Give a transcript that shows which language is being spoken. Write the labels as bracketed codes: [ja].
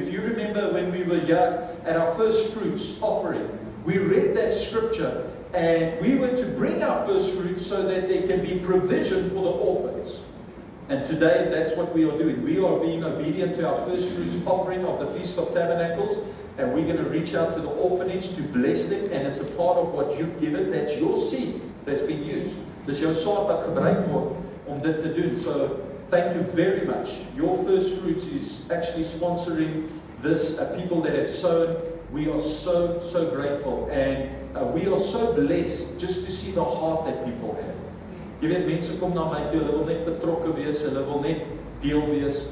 [en] If you remember when we were young at our first fruits offering, we read that scripture and we were to bring our first fruits so that there can be provision for the orphans. And today that's what we are doing. We are being obedient to our first fruits offering of the Feast of Tabernacles, and we're going to reach out to the orphanage to bless them, and it's a part of what you've given. That's your seed that's been used. [af] Dis jou saad wat gebruik word om dit te doen. [en] So thank you very much. Your first fruits is actually sponsoring this, people that have sown. We are so, so grateful. And we are so blessed just to see the heart that people have. [af] Jy weet, mense kom na my toe, hulle wil net betrokke wees, hulle wil net deel wees.